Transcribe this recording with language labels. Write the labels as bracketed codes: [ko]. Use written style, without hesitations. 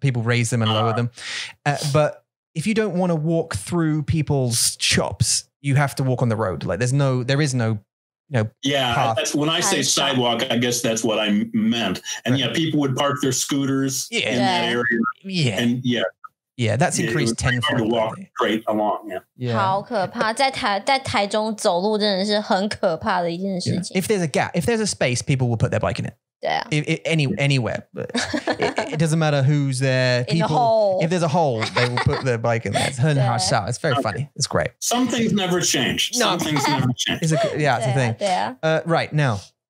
[en] People raise them and lower them. But if you don't want to walk through people's shops, you have to walk on the road. Like there is no. That's when I say sidewalk, I guess that's what I meant. And people would park their scooters in that area. That's increased tenfold. To walk straight along. Yeah. [zh] 好可怕. 在台中走路真的是很可怕的一件事情. [en] If there's a gap, if there's a space, people will put their bike in it. Anywhere. It doesn't matter who's there. If there's a hole, they will put their bike in there. It's very funny. It's great. Some things never change. It's a thing. Right now.